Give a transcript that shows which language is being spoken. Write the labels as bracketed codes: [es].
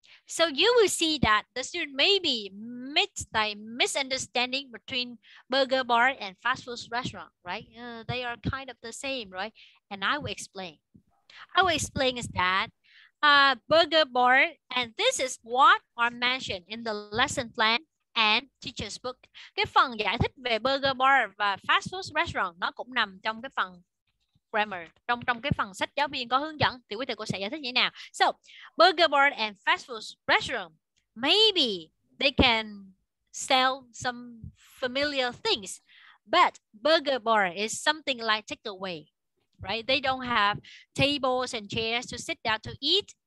[en] So you will see that the student maybe meets the misunderstanding between burger bar and fast food restaurant, right? They are kind of the same, right? And I will explain. I will explain is that burger bar, and this is what are mentioned in the lesson plan and teacher's book. [vi] Cái phần giải thích về burger bar và fast food restaurant nó cũng nằm trong cái phần grammar, trong cái phần sách giáo viên có hướng dẫn, thì quý thầy cô sẽ giải thích như thế nào. [en] So, burger bar and fast food restaurant, maybe they can sell some familiar things, but burger bar is something like takeaway, right? They don't have tables and chairs to sit down to eat.